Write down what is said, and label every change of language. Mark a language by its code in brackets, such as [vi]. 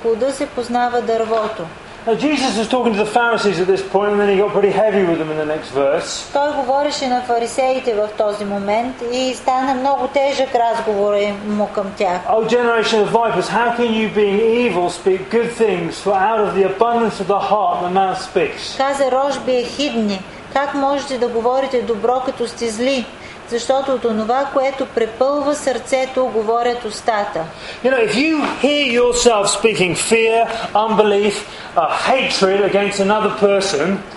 [en] Now Jesus is talking to the Pharisees at this point, and then he got pretty heavy with them in the next verse. [bg] Той говореше на фарисеите в този момент и стана много тежък разговор му към тях. [en] O generation of vipers, how can you, being evil, speak good things? For out of the abundance of the heart, the mouth speaks. [bg] Каза рожби ехидни, как можете да говорите добро като сте зли? Защото от онова, което препълва сърцето, говорят устата. [en] You know, if you hear yourself speaking fear, unbelief, hatred against another person,